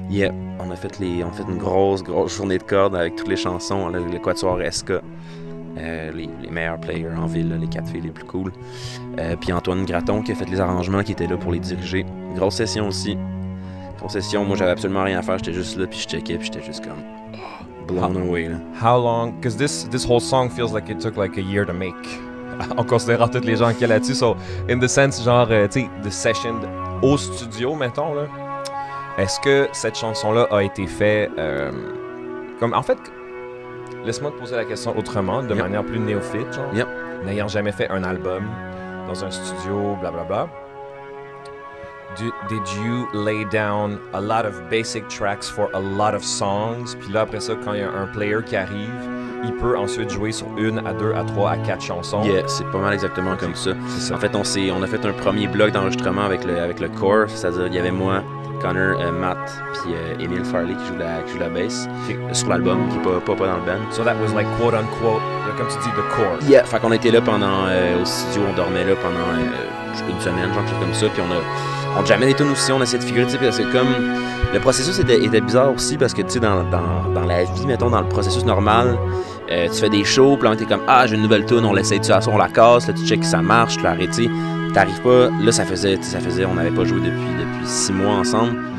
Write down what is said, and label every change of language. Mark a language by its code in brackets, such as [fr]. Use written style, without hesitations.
[fr] Yeah, on a fait une grosse journée de cordes avec toutes les chansons, le quatuor SK, les meilleurs players en ville, là, les quatre filles les plus cool. Puis Antoine Graton qui a fait les arrangements, qui était là pour les diriger. Grosse session aussi. Grosse session, moi j'avais absolument rien à faire, j'étais juste là, puis je checkais, puis j'étais juste comme [en] blown away. [fr] Là. [en] How long? Because this whole song feels like it took like a year to make. [fr] En considérant toutes les gens qui étaient là-dessus, [en] so in the sense, [fr] genre, tu sais, [en] the session [fr] au studio, mettons, là. Est-ce que cette chanson-là a été faite comme... En fait, laisse-moi te poser la question autrement, de manière plus néophyte, genre. Yep. N'ayant jamais fait un album dans un studio, blablabla. [en] Did you lay down a lot of basic tracks for a lot of songs? [fr] Puis là, après ça, quand il y a un player qui arrive, il peut ensuite jouer sur une, à deux, à trois, à quatre chansons. Yeah, c'est pas mal exactement comme ça. C'est ça. En fait, on a fait un premier bloc d'enregistrement avec le core, c'est-à-dire il y avait moi... Connor, Matt, puis Emile Farley qui joue la bass sur l'album, qui est pas dans le band. [en] So that was like quote unquote, like, [fr] comme tu dis, [en] the core. [fr] Yeah, fait qu'on était là pendant, au studio, on dormait là pendant une semaine, genre, chose comme ça, puis on jammait des tunes aussi, on essayait de figurer, tu sais, parce que comme le processus était bizarre aussi, parce que tu sais, dans la vie, mettons, dans le processus normal, tu fais des shows, puis là, t'es comme, ah, j'ai une nouvelle tune, on l'essaye dessus, on la casse, là, tu checks si ça marche, tu l'arrêtes, t'arrives pas, là ça faisait, on n'avait pas joué depuis 6 mois ensemble.